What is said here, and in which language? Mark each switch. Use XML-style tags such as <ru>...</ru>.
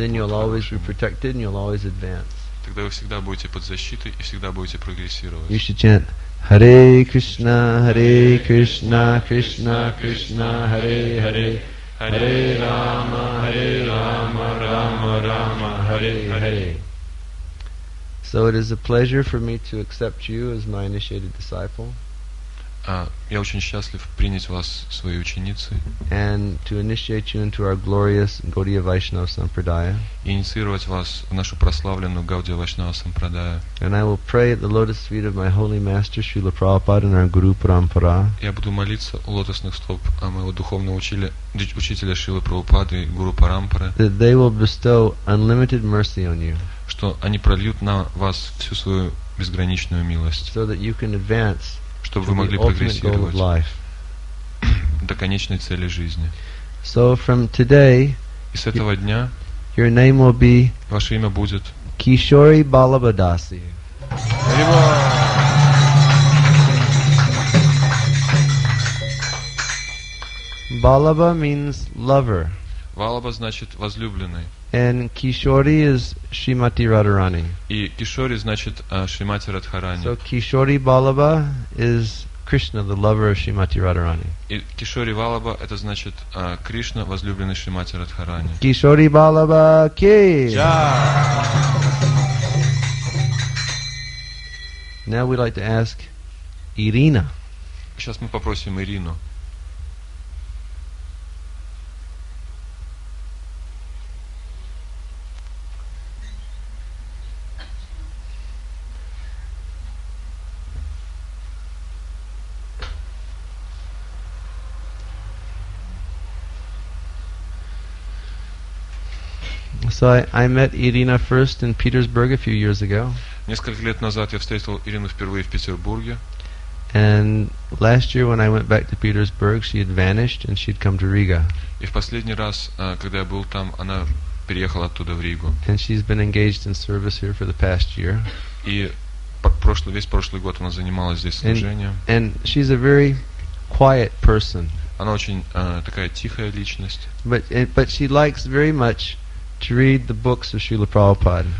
<en>Then you'll always be protected and you'll always advance.</en> <ru>Тогда вы всегда будете под защитой и всегда будете прогрессировать.</ru> <en>You should chant</en> <sa>Hare Krishna, Hare Krishna, Krishna Krishna, Hare Hare. Hare Rama, Hare Rama, Rama Rama, Hare Hare.</sa> <en>So it is a pleasure for me to accept you as my initiated disciple.</en> <ru>Я очень счастлив принять вас своей ученицей.</ru> <en>And to initiate you into our glorious Gaudiya Vaishnava Sampradaya.</en> <ru>Инициировать вас в нашу прославленную Гаудия Вайшнава Сампрадая.</ru> <en>And I will pray at the lotus feet of my holy master Srila Prabhupada and our Guru Parampara.</en> <ru>Я буду молиться у лотосных стоп моего духовного учителя Шрилы Прабхупады и Гуру Парампары.</ru> <en>That they will bestow unlimited mercy on you.</en> <ru>Что они прольют на вас всю свою безграничную милость,</ru> <en>so that you can advance,</en> <ru>чтобы вы могли прогрессировать до конечной цели жизни.</ru> <en>So from today,</en> <ru>и с этого дня</ru> <en>your name will be</en> <ru>ваше имя будет Кишори Балабадаси.</ru> <en>Балаба means lover.</en> <ru>Валаба значит возлюбленный.</ru> <en>And Kishori is Shrimati Radharani.</en> <ru>И Кишори значит Шримати Радхарани.</ru> <en>So Kishori Balaba is Krishna, the lover of Shrimati Radharani.</en> <ru>И Кишори Валаба это значит Кришна, возлюбленный Шримати Радхарани.</ru> <hi>Кишори Балаба ки.</hi> <en>Now we'd like to ask Ирина.</en> <ru>Сейчас мы попросим Ирину.</ru> <en>So I met Irina first in Petersburg a few years ago.</en> <ru>Несколько лет назад я встретил Ирину впервые в Петербурге.</ru> <en>And last year when I went back to Petersburg, she had vanished and she'd come to Riga.</en> <ru>И в последний раз, когда я был там, она переехала оттуда в Ригу.</ru> <en>And she's been engaged in service here for the past year.</en> <ru>И весь прошлый год она занималась здесь служением.</ru> <en>And she's a very quiet person.</en> <ru>Она очень такая тихая личность.</ru> <en>But she likes very much to read the books of Srila Prabhupada.</en>